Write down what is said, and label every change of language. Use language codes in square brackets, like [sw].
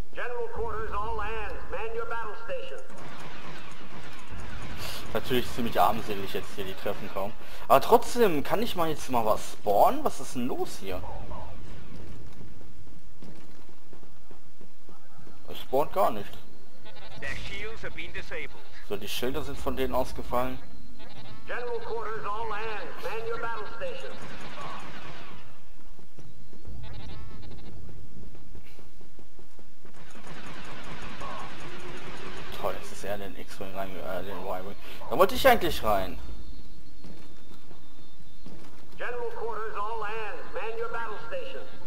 [en] General Quarters, all hands, man your battle station. [de] Natürlich ziemlich armselig jetzt hier, die Treffen kaum. Aber trotzdem, kann ich mal jetzt mal was spawnen? Was ist denn los hier? Es spawnt gar nicht. [en] Their shields have been disabled. [de] So, die Schilder sind von denen ausgefallen. [en] General Quarters, all hands, man your battle station. [de] Toll, jetzt ist er den X-Wing rein, den Y-Wing. Da wollte ich eigentlich rein. [en] General Quarters, all hands, man your battle station.